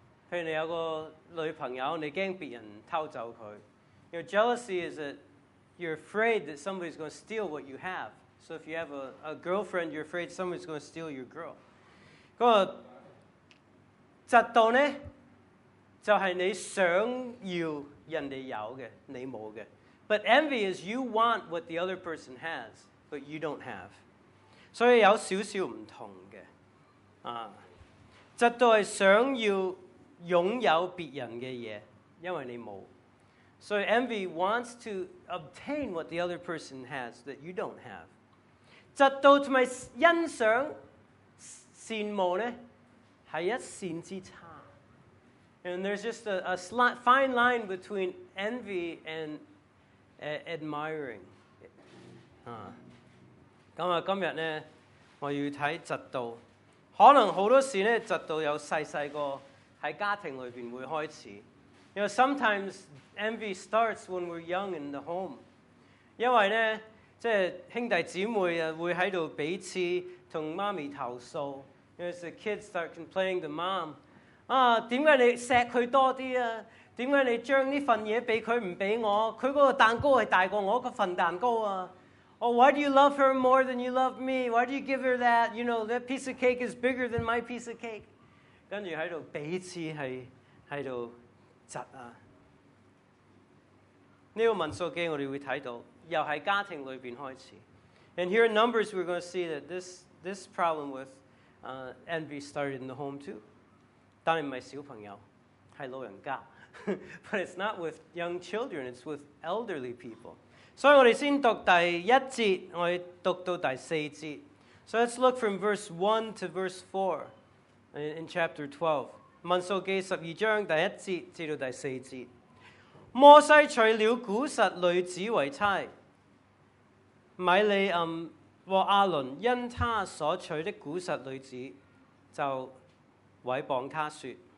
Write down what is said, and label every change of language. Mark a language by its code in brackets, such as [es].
[yue] 譬如你有個女朋友，你驚別人偷走佢。 [en] You know, jealousy is that you're afraid that somebody's going to steal what you have. So if you have a girlfriend, you're afraid somebody's going to steal your girl. [yue] 嫉妒呢，就係你想要人哋有嘅，你冇嘅。 [en] But envy is you want what the other person has, but you don't have. [yue] 所以有少少唔同嘅。嫉妒係想要擁有別人嘅嘢，因為你冇。 [en] 所以envy wants to obtain what the other person has that you don't have. [yue] 嫉妒同埋欣賞羨慕咧，係一線之差。 [en] And there's just a slight fine line between envy and admiring. [yue] 咁啊，今日咧，我要睇嫉妒。可能好多時咧，嫉妒有細細個喺家庭裏邊會開始。 [en] You know, sometimes envy starts when we're young in the home. [yue] 因為咧，即係兄弟姊妹啊，會喺度彼此同媽咪投訴。 [en] You know, the kids start complaining to mom. [yue] 啊，點解你錫佢多啲啊？點解你將呢份嘢俾佢唔俾我？佢嗰個蛋糕係大過我嗰份蛋糕啊 [en] ！Oh, why do you love her more than you love me? Why do you give her that? You know, that piece of cake is bigger than my piece of cake. [yue] 跟住喺度彼此喺度窒啊！呢個民數記我哋會睇到，又喺家庭裏邊開始。 [en] And here in Numbers, we're going to see that this problem with envy started in the home too. [yue] 當然唔係小朋友，係老人家。 [en] But it's not with young children, it's with elderly people. So we're going to read the first chapter, we're going to read the fourth chapter. So let's look from verse 1 to verse 4 in chapter 12. [yue] 民数记十二章第一节至到第四节。摩西娶了古实女子为妻，米利暗和阿伦因他所娶的古实女子，就毁谤他说。